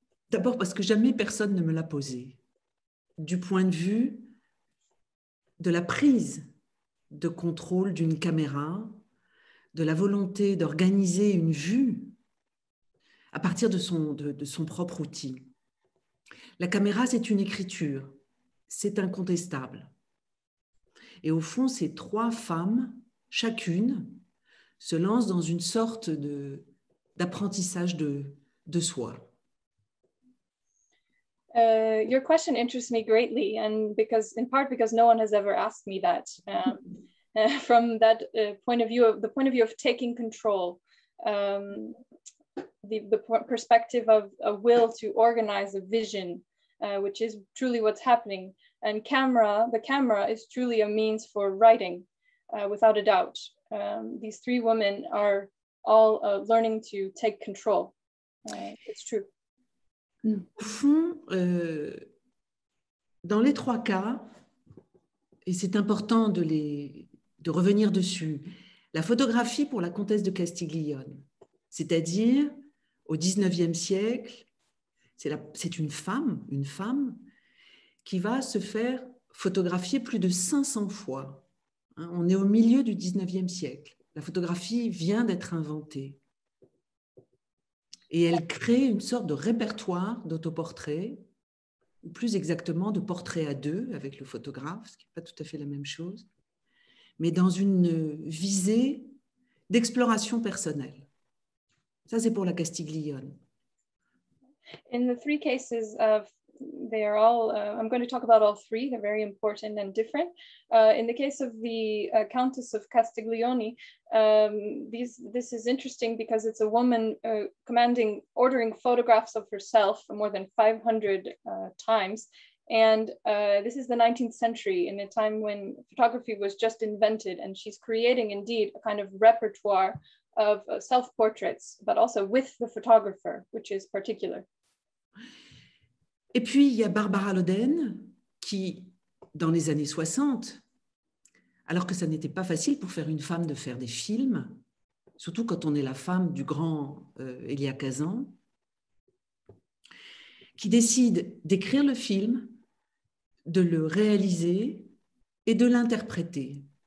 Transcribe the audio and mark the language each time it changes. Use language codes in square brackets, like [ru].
[fr] D'abord parce que jamais personne ne me l'a posée, du point de vue de la prise de contrôle d'une caméra, de la volonté d'organiser une vue à partir de son propre outil. La caméra, c'est une écriture, c'est incontestable. Et au fond, ces trois femmes, chacune, se lancent dans une sorte d'apprentissage de soi. [en] Your question interests me greatly, and because no one has ever asked me that. From that point of view of taking control, the perspective of a will to organize a vision, which is truly what's happening. And the camera is truly a means for writing, without a doubt. These three women are all learning to take control. It's true. [fr] Au fond, dans les trois cas, et c'est important de revenir dessus, la photographie pour la comtesse de Castiglione, c'est-à-dire au XIXe siècle, c'est une femme qui va se faire photographier plus de 500 fois. On est au milieu du XIXe siècle. La photographie vient d'être inventée. Et elle crée une sorte de répertoire d'autoportraits, ou plus exactement de portraits à deux avec le photographe, ce qui n'est pas tout à fait la même chose, mais dans une visée d'exploration personnelle. Ça, c'est pour la Castiglione. [en] In the three cases, they are all, I'm going to talk about all three, they're very important and different. In the case of the Countess of Castiglione, this is interesting because it's a woman ordering photographs of herself more than 500 times. And this is the 19th century, in a time when photography was just invented, and she's creating indeed a kind of repertoire of self-portraits, but also with the photographer, which is particular. [fr] Et puis, il y a Barbara Loden qui, dans les années 60, alors que ça n'était pas facile pour faire une femme de faire des films, surtout quand on est la femme du grand Elia Kazan, qui décide d'écrire le film, de le réaliser et de l'interpréter.